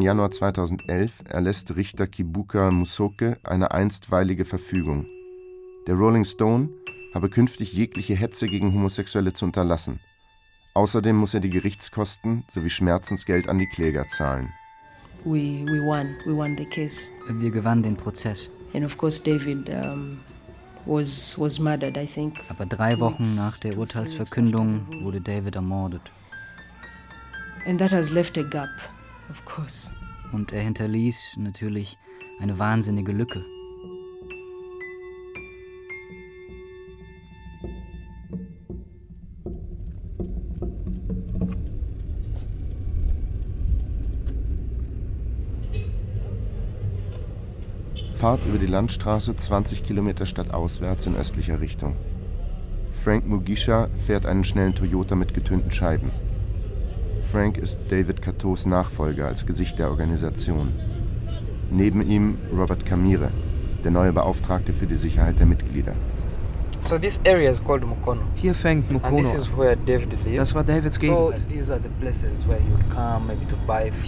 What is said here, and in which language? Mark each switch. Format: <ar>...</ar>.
<de>Januar 2011 erlässt Richter Kibuka Musoke eine einstweilige Verfügung. Der Rolling Stone habe künftig jegliche Hetze gegen Homosexuelle zu unterlassen. Außerdem muss er die Gerichtskosten sowie Schmerzensgeld an die Kläger zahlen.</de> <en>We won the case.</en> <de>Wir gewannen den Prozess.</de> <en>And of course David was murdered, I think.</en> <de>Aber drei Wochen nach der Urteilsverkündung wurde David ermordet.</de> <en>And that has left a gap. Of course.</en> <de>Und er hinterließ natürlich eine wahnsinnige Lücke. Fahrt über die Landstraße 20 Kilometer stadtauswärts in östlicher Richtung. Frank Mugisha fährt einen schnellen Toyota mit getönten Scheiben. Frank ist David Catos Nachfolger als Gesicht der Organisation. Neben ihm Robert Kamire, der neue Beauftragte für die Sicherheit der Mitglieder.</de> <en>So this area is called Mukono.</en> <de>Hier fängt Mukono.</de> <en>And this is where David lived.</en> <de>Das war Davids Gegend.</de> <en>So these are the places where he would come, maybe to buy food.</en>